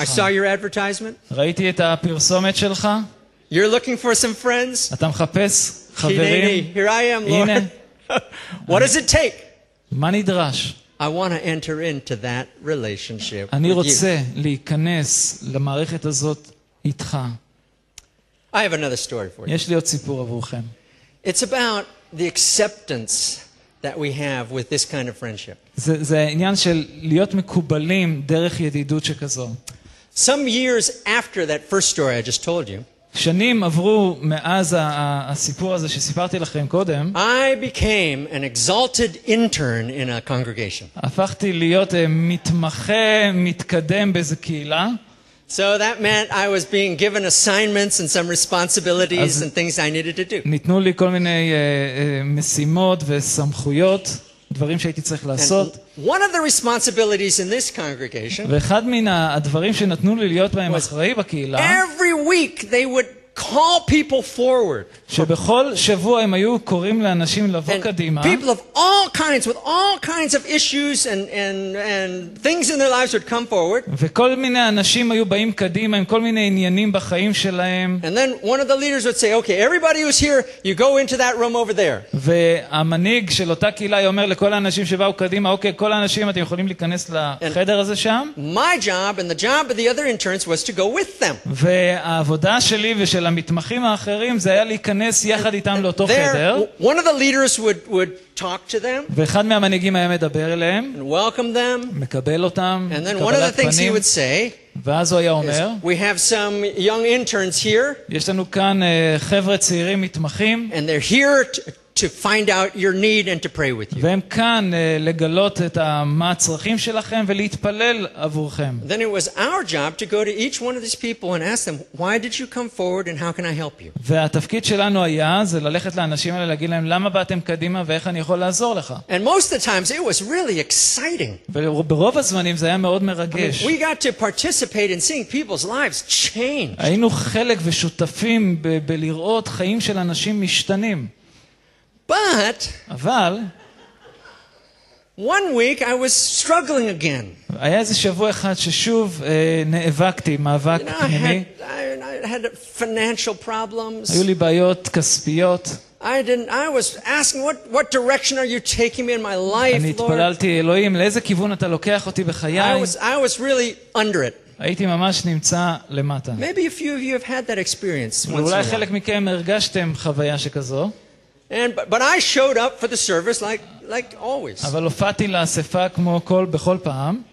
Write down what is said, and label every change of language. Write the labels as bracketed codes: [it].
[en] I saw your advertisement. [he] ראיתי את הפרסומת שלך. [en] You're looking for some friends. [he] אתה מחפש חברים. [en] Here I am, Lord. [he] הנה. [en] What does it take? [he] מה נדרש? [en] I want to enter into that relationship. [he] אני רוצה להיכנס למערכת הזאת איתך. [en] I have another story for you. [he] יש לי עוד סיפור עבורכם. [en] It's about the acceptance that we have with this kind of friendship. [he] זה עניין של להיות מקובלים דרך ידידות שכזו. [en] Some years after that first story I just told you. [he] שנים עברו מאז הסיפור הזה שסיפרתי לכם קודם. [en] I became an exalted intern in a congregation. [he] הפכתי להיות מתמחה מתקדם באיזו קהילה. [en] So that meant I was being given assignments and some responsibilities and things I needed to do. [he] ניתנו לי כל מיני משימות וסמכויות, דברים שהייתי צריך לעשות. [en] One of the responsibilities in this congregation. [he] ואחד מן הדברים שנתנו לי להיות בהם אחראי בקהילה. [en] Every week they would call people forward. [he] שבכל שבוע הם היו קוראים לאנשים לבוא קדימה. [en] People of all kinds with all kinds of issues and things in their lives would come forward. [he] וכל מיני אנשים היו באים קדימה עם כל מיני עניינים בחיים שלהם. [en] And then one of the leaders would say, "Okay, everybody who's here, you go into that room over there." [he] והמנהיג של אותה קהילה אומר לכל האנשים שבאו קדימה, "Okay, כל האנשים אתם יכולים להיכנס לחדר הזה שם." [en] My job and the job of the other interns was to go with them. [he] והעבודה שלי של המתמחים האחרים זה היה להיכנס יחד איתם לאותו חדר. [en] One of the leaders would talk to them. [he] ואחד מהמנהיגים היה מדבר אליהם. [en] And welcome them. [he] מקבל אותם. [en] And then one of the things he would say. [he] ואז הוא היה אומר, [en] "We have some young interns here." [he] יש לנו כאן חבר'ה צעירים מתמחים. [en] And they're here to find out your need and to pray with you. [he] והם כאן לגלות את הצרכים שלכם ולהתפלל עבורכם. [en] Then it was our job to go to each one of these people and ask them, "Why did you come forward and how can I help you?" [he] והתפקיד שלנו היה זה ללכת לאנשים האלה להגיד להם, "למה באתם קדימה ואיך אני יכול לעזור לך?" [en] And most of the times it was really exciting. [he] וברוב הזמנים זה היה מאוד מרגש. [en] We got to participate in seeing people's lives change. [he] היינו חלק ושותפים בלראות חיים של אנשים משתנים. [en] But [he] אבל [en] one week I was struggling again. [he] היה איזה שבוע אחד ששוב נאבקתי, מאבק פנימי. [en] I had financial problems. [he] היו לי בעיות כספיות. [en] I was asking what direction are you taking me in my life, Lord? [he] אני התפללתי, אלוהים, לאיזה כיוון אתה לוקח אותי בחיי? [en] I was really under it. [he] הייתי ממש נמצא למטה. [en] Maybe a few of you have had that experience. [he] אולי חלק מכם הרגשתם חוויה שכזו. [en] And but I showed up for the service like always. [he] אבל הופעתי לאספה כמו בכל פעם.